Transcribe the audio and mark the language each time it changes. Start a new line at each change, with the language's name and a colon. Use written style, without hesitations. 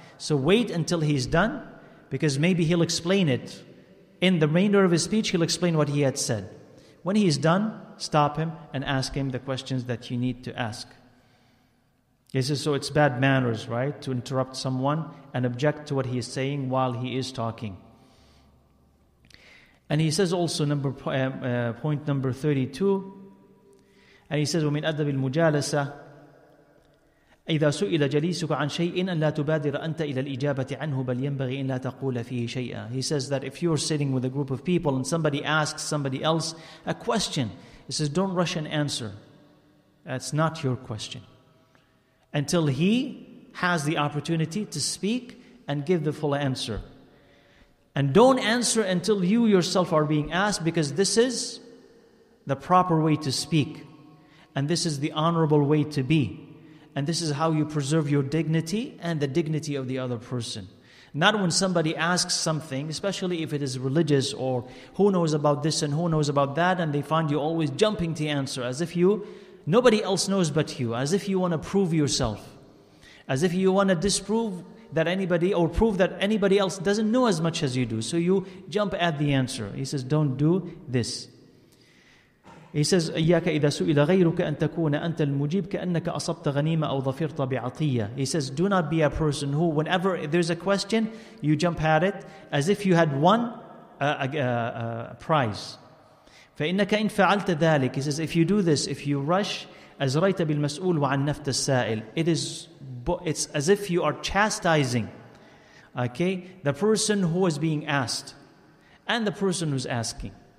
English: So wait until he's done, because maybe he'll explain it. In the remainder of his speech, he'll explain what he had said. When he's done, stop him and ask him the questions that you need to ask. He says, so it's bad manners, right, to interrupt someone and object to what he is saying while he is talking. And he says also, point number 32, and he says,
Arabic: وَمِنْ أَدَّبِ الْمُجَالَسَةِ إذا سئل جليسك عن شيء إن لا تبادر أنت إلى الإجابة عنه بل ينبغي إن لا تقول فيه شيئا.
English: He says that if you're sitting with a group of people and somebody asks somebody else a question, he says, don't rush and answer. That's not your question. Until he has the opportunity to speak and give the full answer. And don't answer until you yourself are being asked, because this is the proper way to speak. And this is the honorable way to be. And this is how you preserve your dignity and the dignity of the other person. Not when somebody asks something, especially if it is religious or who knows about this and who knows about that, and they find you always jumping to answer as if nobody else knows but you, as if you want to prove yourself, as if you want to disprove that anybody or prove that anybody else doesn't know as much as you do. So you jump at the answer. He says, don't do this. He says,
Arabic: إِيَّاكَ إِذَا سُئِلَ غَيْرُكَ أَن تَكُونَ أَنْتَ الْمُجِيبُ كَأَنَّكَ أَصَبْتَ غَنِيمَ أَوْ ظَفِرْتَ بِعَطِيَّةِ.
English: He says, do not be a person who, whenever there's a question, you jump at it as if you had won a prize.
Arabic: فَإِنَّكَ إِنْ فَعَلْتَ ذَلِكَ.
English: He says, if you do this, if you rush,
Arabic: أَزْرَيْتَ بِالْمَسْؤُولِ وَعَنَّفْتَ السَّائِلِ.
English: It's as if you are chastising, okay, the person who is being asked and the person who's asking.